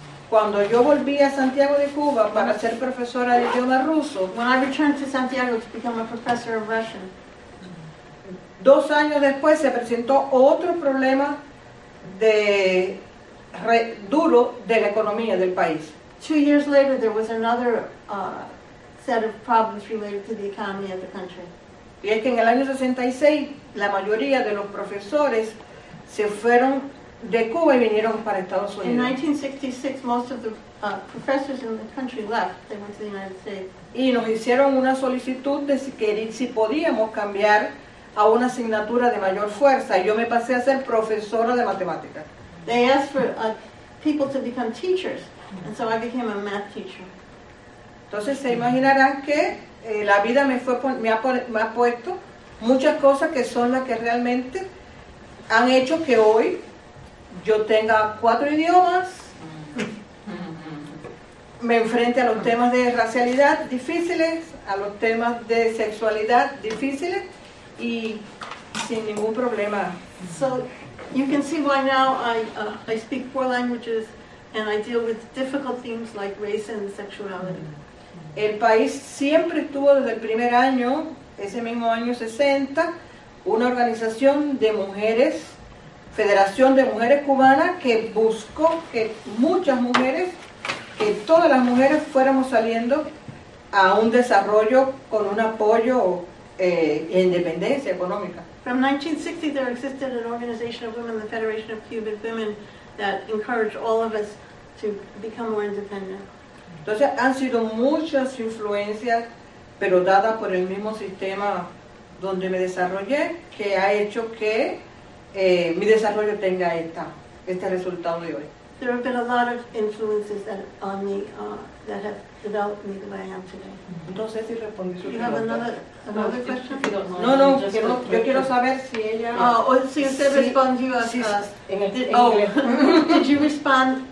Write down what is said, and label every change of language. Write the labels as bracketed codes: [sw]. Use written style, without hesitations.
[es] Cuando yo volví a Santiago de Cuba para ser profesora de idioma ruso, [en] when I returned to Santiago to become a professor of Russian, [es] dos años después se presentó otro problema de duro de la economía del país. [en] 2 years later, there was another set of problems related to the economy of the country. [es] Y es que en el año 66, la mayoría de los profesores se fueron de Cuba y vinieron para Estados Unidos. [en] In 1966, most of the professors in the country left. They went to the United States. [es] Y nos hicieron una solicitud de si podíamos cambiar a una asignatura de mayor fuerza. Yo me pasé a ser profesora de matemáticas. [en] They asked for people to become teachers, and so I became a math teacher. [es] Entonces se imaginarán que la vida me ha puesto muchas cosas que son las que realmente han hecho que hoy yo tenga 4 idiomas, me enfrente a los temas de racialidad difíciles, a los temas de sexualidad difíciles, y sin ningún problema. [en] So, you can see why now I speak 4 languages and I deal with difficult themes like race and sexuality. [es] El país siempre tuvo desde el primer año, ese mismo año 60, una organización de mujeres, Federación de Mujeres Cubanas, que buscó que muchas mujeres, que todas las mujeres fuéramos saliendo a un desarrollo con un apoyo e independencia económica. [en] From 1960 there existed an organization of women, the Federation of Cuban Women, that encouraged all of us to become more independent. [es] Entonces han sido muchas influencias, pero dadas por el mismo sistema donde me desarrollé, que ha hecho que mi desarrollo tenga este resultado de hoy. [en] There have been a lot of influences that have developed me the way I am today. [es] No sé si respondí su pregunta. [en] Do you have another question? [es] No, yo quiero saber si ella... [en] Did you respond?